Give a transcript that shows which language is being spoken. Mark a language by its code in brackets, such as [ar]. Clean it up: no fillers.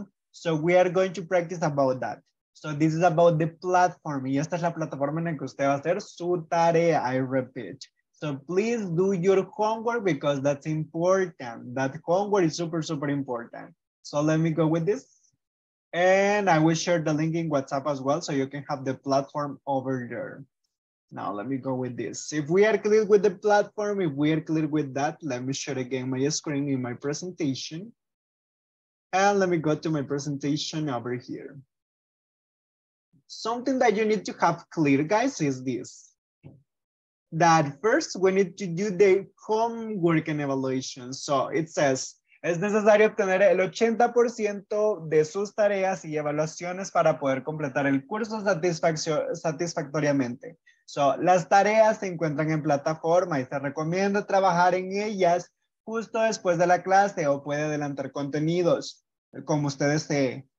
[en] So we are going to practice about that. So this is about the platform. [es] Y esta es la plataforma en la que usted va a hacer su tarea, [en] I repeat. So please do your homework because that's important. That homework is super, super important. So let me go with this. And I will share the link in WhatsApp as well so you can have the platform over there. Now let me go with this. If we are clear with the platform, if we are clear with that, let me share again my screen in my presentation. And let me go to my presentation over here. Something that you need to have clear, guys, is this. That first we need to do the homework and evaluation. So it says, [es] es necesario obtener el 80% de sus tareas y evaluaciones para poder completar el curso satisfactoriamente. [en] So, [es] las tareas se encuentran en plataforma y se recomienda trabajar en ellas justo después de la clase o puede adelantar contenidos, como usted desee.